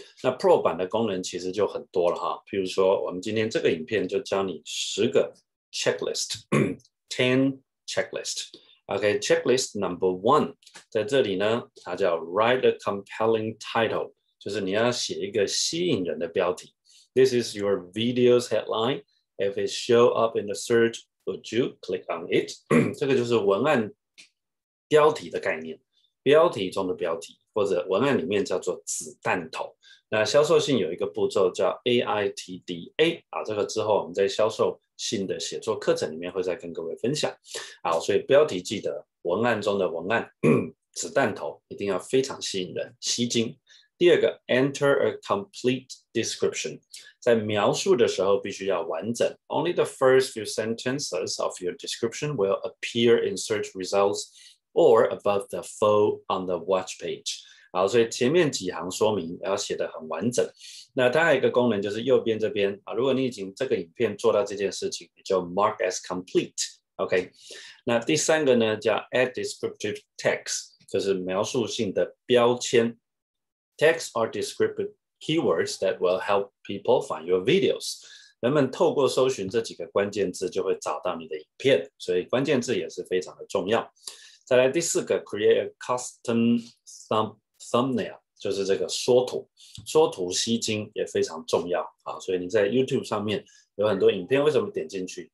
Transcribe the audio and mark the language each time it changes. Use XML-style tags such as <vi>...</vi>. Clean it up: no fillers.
<zh>那 Pro 版的功能其实就很多了哈，譬如说我们今天这个影片就教你十个 checklist， 10 checklist。 OK， checklist number one， 在这里呢它叫</zh> <en>write a compelling title，</en> <zh>就是你要写一个吸引人的标题。</zh> <en>This is your video's headlineIf it show up in the search, would you click on it?</en> <zh>这个就是文案标题的概念，标题中的标题，或者文案里面叫做子弹头。那销售信有一个步骤叫 AITDA 啊，这个之后我们在销售信的写作课程里面会再跟各位分享。好，所以标题记得，文案中的文案子弹头一定要非常吸引人、吸睛。第二个 ，</zh> <en>enter a complete description。</en> <zh>在描述的时候必须要完整。</zh> <en>Only the first few sentences of your description will appear in search results or above the full on the watch page.</en> <zh>好，所以前面几行说明要写得很完整。那它还有一个功能就是右边这边，如果你已经这个影片做到这件事情，你就</zh> <en>mark as complete。</en> <zh>OK， 那第三个呢叫</zh> <en>add descriptive text，</en> <zh>就是描述性的标签。</zh> <en>Text are descriptive keywords that will help people find your videos.</en> <zh>人们透过搜寻这几个关键字就会找到你的影片，所以关键字也是非常的重要。再来第四个 ，</zh> <en>create a custom thumbnail，</en> <zh>就是这个缩图，缩图吸睛也非常重要啊。所以你在 YouTube 上面有很多影片，为什么点进去？</zh>